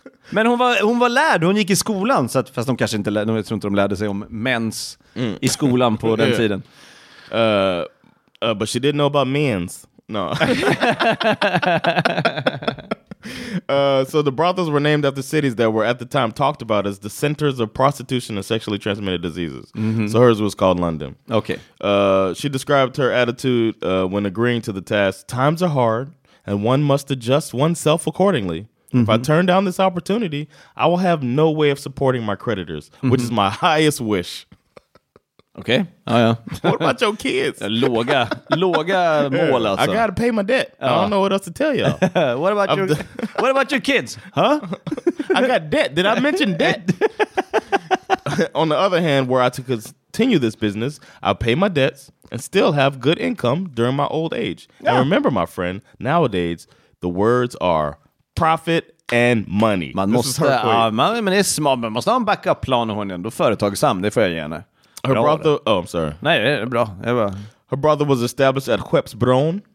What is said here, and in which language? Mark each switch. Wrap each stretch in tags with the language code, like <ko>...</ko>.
<sv>Men hon var lärd, hon gick i skolan, så att, fast de kanske inte lärde, jag tror inte de lärde sig om mens i skolan på den tiden.</sv> <en>But she didn't know about mens. No. So the brothels were named after cities that were at the time talked about as the centers of prostitution and sexually transmitted diseases. Mm-hmm. So hers was called London. Okay. She described her attitude when agreeing to the task, times are hard and one must adjust oneself accordingly. If I turn down this opportunity, I will have no way of supporting my creditors, which is my highest wish. Okay. Oh, yeah. What about your kids?</en> <sv>Låga mål, alltså.</sv> <en>I gotta pay my debt. I don't know what else to tell y'all. What about your kids? Huh? I got debt. Did I mention debt? On the other hand, were I to continue this business, I'll pay my debts and still have good income during my old age. Yeah. And remember, my friend, nowadays, the words are... profit and money.</en> <sv>Man måste, men det är smart. Man måste ha en backup plan, hon är ändå företagsam. Det får jag gärna.</sv> <en>Her brother, I'm sorry.</en> <sv>Nej, det är bra. Det är bra.</sv> <en>Her brother was established at Skeppsbron.</en>